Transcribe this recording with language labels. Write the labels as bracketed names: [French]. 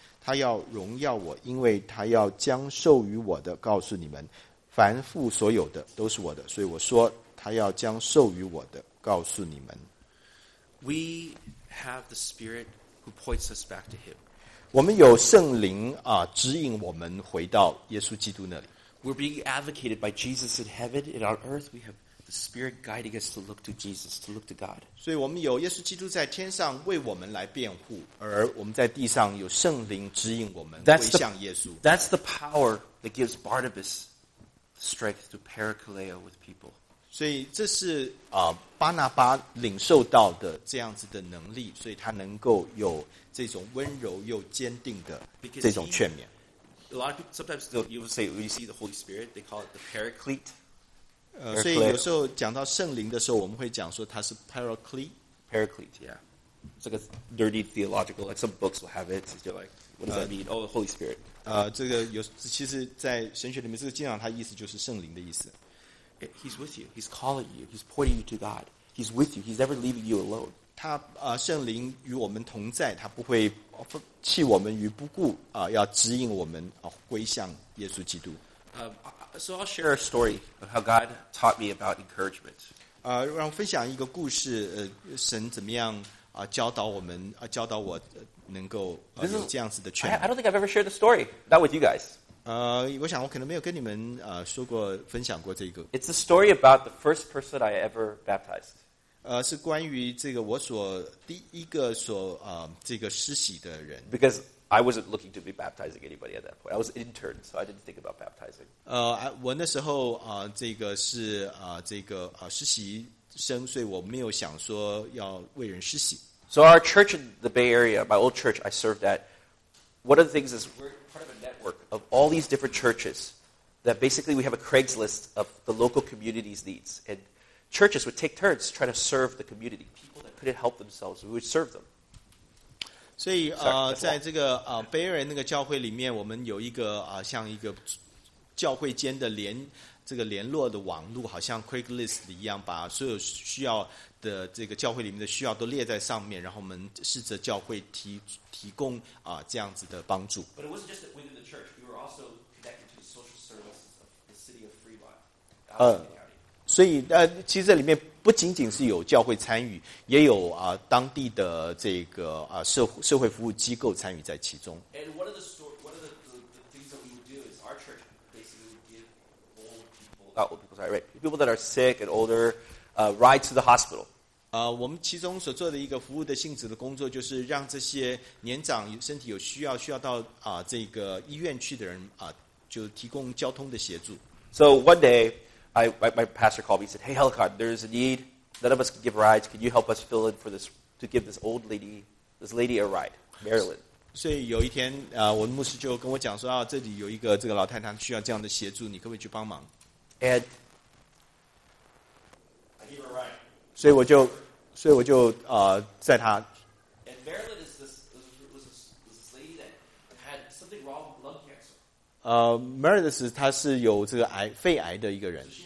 [Chinese] 他要荣耀我，因为他要将授予我的告诉你们。凡父所有的都是我的，所以我说他要将授予我的告诉你们。 [English] We have the Spirit. Who points us back to Him? [Chinese] 我们有圣灵指引我们回到耶稣基督那里。 [English] We're being advocated by Jesus in heaven and on earth. We have the Spirit guiding us to look to Jesus, to look to God. [Chinese] 所以我们有耶稣基督在天上为我们来辩护，而我们在地上有圣灵指引我们归向耶稣。 [English] That's the power that gives Barnabas strength to parakaleo with people. [Chinese] 所以这是巴拿巴领受到的这样子的能力，所以他能够有这种温柔又坚定的这种劝勉。 [English] A lot of people sometimes they will say when you see the Holy Spirit, they call it the Paraclete. [Chinese] 所以有时候讲到圣灵的时候，我们会讲说他是 Paraclete. [English] Paraclete, yeah. It's like a dirty theological. Like some books will have it. They're like, what does that mean? Oh, the Holy Spirit. [Chinese] 这个有其实，在神学里面，这个经常它意思就是圣灵的意思。 [English] He's with you. He's calling you. He's pointing you to God. He's with you. He's never leaving you alone. [Chinese] 他圣灵与我们同在，他不会弃我们于不顾要指引我们归向耶稣基督。 [English] So I'll share a story of how God taught me about encouragement. [Chinese] 让我分享一个故事。神怎么样教导我们教导我能够有这样子的劝勉。 [English] I don't think I've ever shared the story not with you guys. [Chinese] 我想我可能没有跟你们说过分享过这个。 [English] It's a story about the first person I ever baptized. [Chinese] 是关于这个我所第一个所这个施洗的人。 [English] Because I wasn't looking to be baptizing anybody at that point. I was an intern, so I didn't think about baptizing. [Chinese] 我那时候这个是这个实习生，所以我没有想说要为人施洗。 [English] So our church in the Bay Area, my old church, I served at. One of the things is of all these different churches that basically we have a Craigslist of the local community's needs and churches would take turns trying to serve the community people that couldn't help themselves we would serve them [Chinese] 所以在这个北爱人那个教会里面我们有一个像一个教会间的联这个联络的网络，好像 Craigslist 一样，把所有需要的这个教会里面的需要都列在上面，然后我们试着教会提供这样子的帮助。 [English] But it wasn't just that within the church, we were also connected to social services of the city of Fremont. [Chinese] 所以其实这里面不仅仅是有教会参与，也有当地的这个社会服务机构参与在其中。 [English] And one of the things that we would do is our church basically would give old people that are sick and older, ride to the hospital. [Chinese] 我们其中所做的一个服务的性质的工作，就是让这些年长身体有需要到这个医院去的人就提供交通的协助。 [English] So one day. My pastor called me and said, hey, Helicon, there is a need. None of us can give rides. Can you help us fill in for this, to give this old lady, this lady a ride, Marilyn? [Chinese] So, 有一天，我的牧师就跟我讲说，啊，这里有一个这个老太太需要这样的协助，你可不可以去帮忙？ [English] And I gave her a ride. [Chinese] 所以我就在她。 [English] And Marilyn is this lady that had something wrong with lung cancer. [Chinese] Meredith 他是有这个肺癌的一个人，